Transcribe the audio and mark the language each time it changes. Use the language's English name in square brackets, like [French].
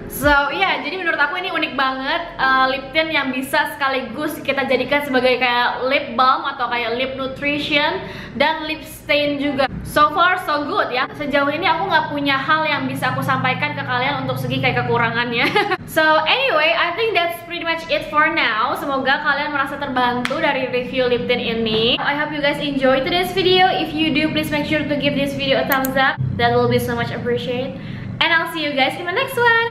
[Indonesian] So iya, yeah, jadi menurut aku ini unik banget, lip tint yang bisa sekaligus kita jadikan sebagai kayak lip balm atau kayak lip nutrition dan lip stain juga. [English] So far so good [Indonesian] ya. Sejauh ini aku gak punya hal yang bisa aku sampaikan ke kalian untuk segi kayak kekurangannya. [English] So anyway, I think that's pretty much it for now. [Indonesian] Semoga kalian merasa terbantu dari review lip tint ini. [English] I hope you guys enjoy today's video. If you do, please make sure to give this video a thumbs up. That will be so much appreciated. And I'll see you guys in my next one.